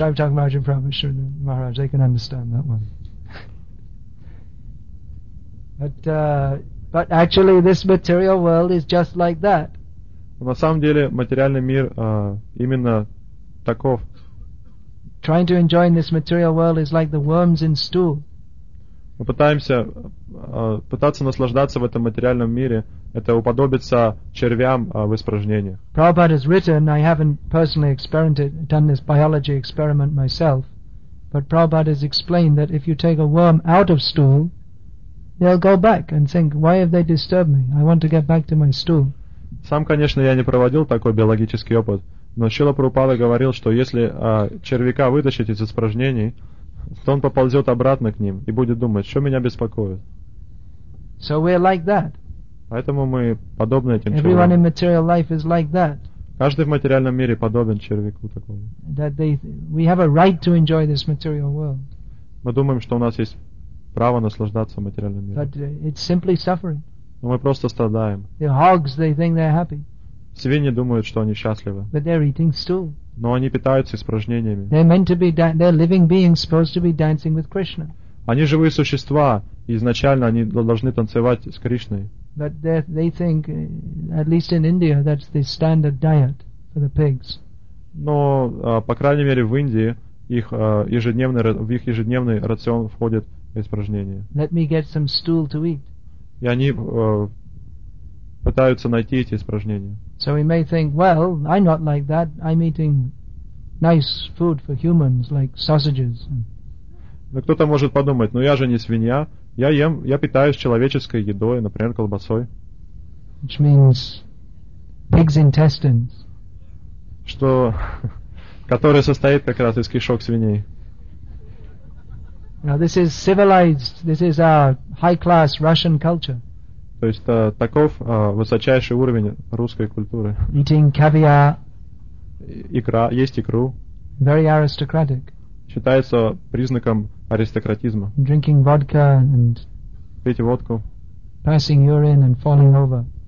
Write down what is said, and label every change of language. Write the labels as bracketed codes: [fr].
[en] I'm talking about Prabhupada Shrinivas Maharaj. They can understand that one. But actually, this material world is just like that. [ru] На самом деле, материальный мир именно таков. [en] Trying to enjoy in this material world is like the worms in stool. [ru] Мы пытаемся пытаться наслаждаться в этом материальном мире, это уподобится червям в испражнениях. [en] Prabhupada has written, I haven't personally experimented, done this biology experiment myself, but Prabhupada has explained that if you take a worm out of stool, they'll go back and think, why have they disturbed me? I want to get back to my stool. [ru] Сам, конечно, я не проводил такой биологический опыт, но Шрила Прабхупада говорил, что если червяка вытащить из испражнений, то он поползет обратно к ним и будет думать, что меня беспокоит. [en] So we're like that. [ru] Поэтому мы подобны этим [en] Everyone [ru] червям. [en] In material life is like that. [ru] Каждый в материальном мире подобен червяку такому. [en] That we have a right to enjoy this material world. [ru] Мы думаем, что у нас есть право наслаждаться материальным миром. [en] But it's simply suffering. [ru] Но мы просто страдаем. [en] The hogs, they think they're happy. [ru] Свиньи думают, что они счастливы. [en] But they're eating stool. [ru] Но они питаются испражнениями. [en] They're meant to be they're living beings supposed to be dancing with Krishna. [ru] Они живые существа, и изначально они должны танцевать с Кришной. [en] But they think, at least in India, that's the standard diet for the pigs. [ru] Но, по крайней мере, в Индии их ежедневный в их ежедневный рацион входит испражнение. [en] Let me get some stool to eat. [ru] И они пытаются найти эти испражнения. [en] So we may think, well, I'm not like that. I'm eating nice food for humans, like sausages. [ru] Но кто-то может подумать, ну я же не свинья, я ем, я питаюсь человеческой едой, например, колбасой. [en] Which means pig's intestines. [ru] Что, который состоит как раз из кишок свиней. [en] Now this is civilized, this is a high-class Russian culture. [ru] То есть таков высочайший уровень русской культуры. [en] Eating caviar. [ru] Икра, есть икру. [en] Very aristocratic. [ru] Считается признаком аристократизма. [en] Drinking vodka and [ru] пить водку. [en] Passing urine and falling over.